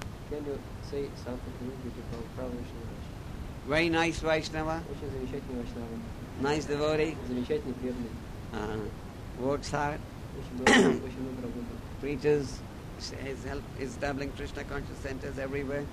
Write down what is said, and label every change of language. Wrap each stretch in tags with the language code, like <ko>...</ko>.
<en>Can you say something beautiful, Pravishna? Very nice Vaishnava.</en> <ru>Очень замечательный Vaishnava.</ru> <en>Nice devotee.</en> <ru>Замечательный преданный.</ru> <en>Works hard.</en> <ru>Очень много работы.</ru> <en>Preaches. Is help establishing Krishna conscious centers everywhere.</en>